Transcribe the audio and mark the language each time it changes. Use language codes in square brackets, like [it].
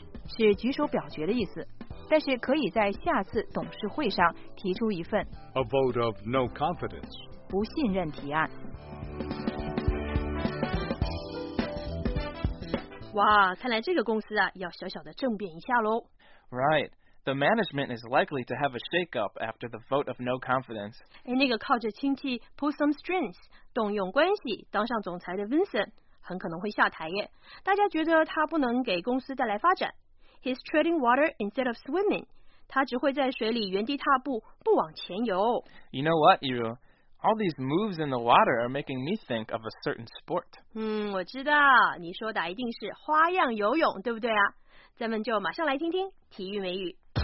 [zh] 是举手表决的意思，但是可以在下次董事会上提出一份 [en] A vote of no confidence [zh] 不信任提案。哇，看来这个公司啊，要小小的政变一下咯。 [en] Right, the management is likely to have a shake-up after the vote of no confidence. [zh] 哎，那个靠着亲戚 [en] pull some strings, [zh] 动用关系当上总裁的 Vincent, 很可能会下台耶。大家觉得他不能给公司带来发展。 [en] He's treading water instead of swimming. [zh] 他只会在水里原地踏步，不往前游。 [en] You know what, Yiru? All these moves in the water are making me think of a certain sport. [zh] 我知道，你说的一定是花样游泳，对不对啊？咱们就马上来听听体育美语。